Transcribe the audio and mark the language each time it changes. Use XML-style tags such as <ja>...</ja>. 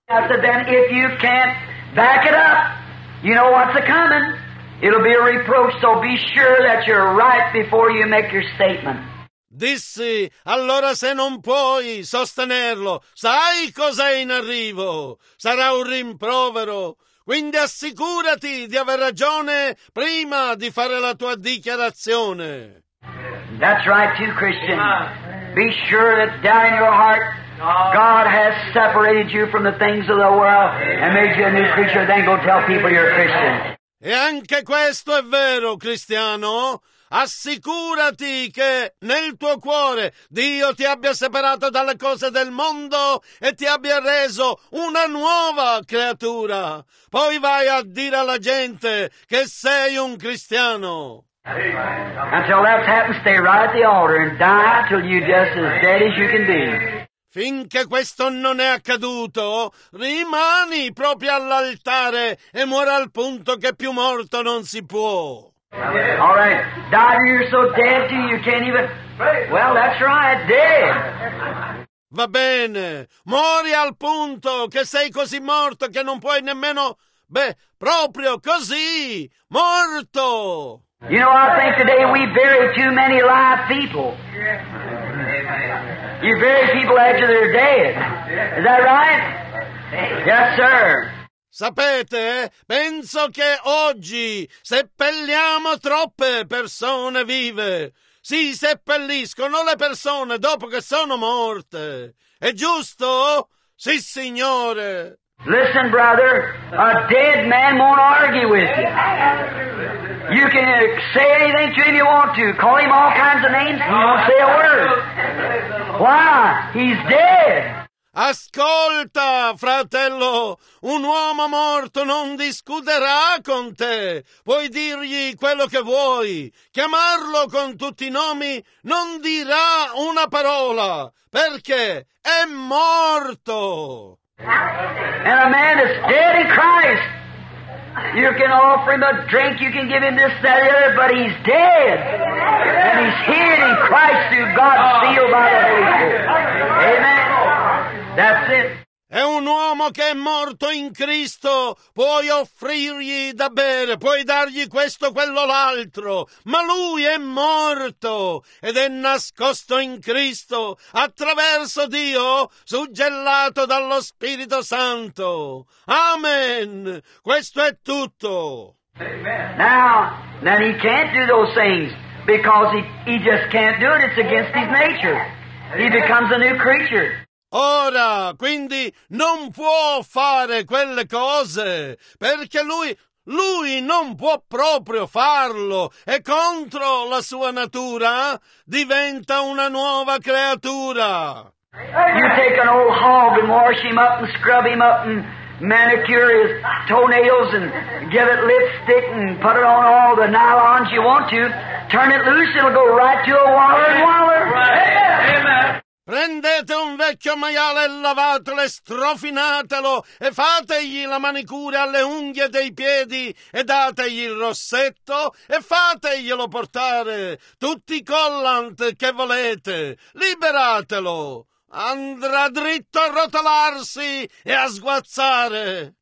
<en>I said, then, if you can't back it up, you know what's coming. It'll be a reproach, so be sure that you're right before you make your statement.</en> <it>Dissi, allora se non puoi sostenerlo, sai cos'è in arrivo? Sarà un rimprovero. Quindi assicurati di aver ragione prima di fare la tua dichiarazione.</it> <en>That's right too, Christian. Be sure that down in your heart, God has separated you from the things of the world and made you a new creature, then go tell people you're a Christian.</en> <it>E anche questo è vero, cristiano. Assicurati che nel tuo cuore Dio ti abbia separato dalle cose del mondo e ti abbia reso una nuova creatura. Poi vai a dire alla gente che sei un cristiano.</it> <en>Until that happens, stay right at the altar and die till you're just as dead as you can be.</en> <it>Finché questo non è accaduto, rimani proprio all'altare e muori al punto che più morto non si può.</it> <en>All right, die, you're so dead to you can't even... Well, that's right, dead.</en> <it>Va bene, muori al punto che sei così morto che non puoi nemmeno... Beh, proprio così, morto.</it> <en>You know, I think today we bury too many live people. You bury people after they're dead. Is that right? Yes, sir.</en> <it>Sapete, penso che oggi seppelliamo troppe persone vive. Si seppelliscono le persone dopo che sono morte. È giusto? Sì, signore.</it> <en>Listen, brother, a dead man won't argue with you. You can say anything to him you want to. Call him all kinds of names, he won't say a word. Why? He's dead.</en> <it>Ascolta, fratello, un uomo morto non discuterà con te. Puoi dirgli quello che vuoi. Chiamarlo con tutti i nomi non dirà una parola, perché è morto.</it> <en>And a man is dead in Christ. You can offer him a drink, you can give him this, that, the other, but he's dead. And he's hid in Christ through God's seal by the Holy Spirit. Amen. That's it.</en> <it>È un uomo che è morto in Cristo. Puoi offrirgli da bere, puoi dargli questo, quello, l'altro, ma lui è morto ed è nascosto in Cristo attraverso Dio, suggellato dallo Spirito Santo. Amen. Questo è tutto. Amen.</it> <en>Now he can't do those things because he just can't do it. It's against his nature. He becomes a new creature.</en> <it>Ora, quindi, non può fare quelle cose, perché lui non può proprio farlo, è contro la sua natura, diventa una nuova creatura.</it> <en>You take an old hog and wash him up and scrub him up and manicure his toenails and give it lipstick and put it on all the nylons you want to, turn it loose, it'll go right to a waller and waller. Right. Amen.</en> <it>Prendete un vecchio maiale e lavatelo e strofinatelo e fategli la manicura alle unghie dei piedi e dategli il rossetto e fateglielo portare tutti i collant che volete. Liberatelo. Andrà dritto a rotolarsi e a sguazzare.</it>